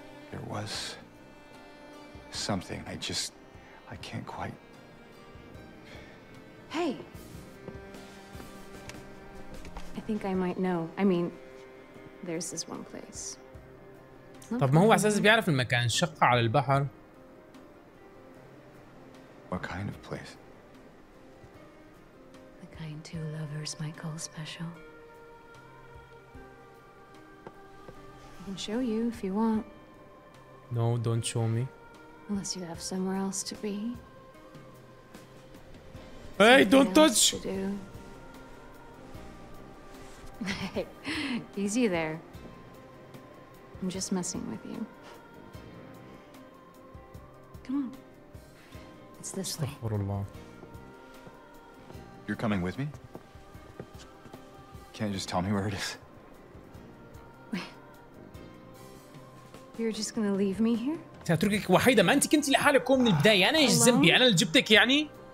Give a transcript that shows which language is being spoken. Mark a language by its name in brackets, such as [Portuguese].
[English] There was something. I can't quite. Hey. I think I might know. I mean, there's this one place. [Arabic] طب ما هو أساسا بيعرف المكان الشقة على البحر. [English] What kind of place? The kind two lovers might call special. I can show you if you want. No, don't show me. Unless you have somewhere else to be. Hey, don't touch. Hey, easy there. I'm just messing with you. Come on. It's this way. [Arabic] استغفر الله. [English] You're coming with me? Can't you just tell me where it is? You're just gonna leave me here? [Arabic] تتركك وحيدة؟ ما أنت كنت لحالك من البداية. أنا إيش ذنبي؟ أنا اللي جبتك يعني؟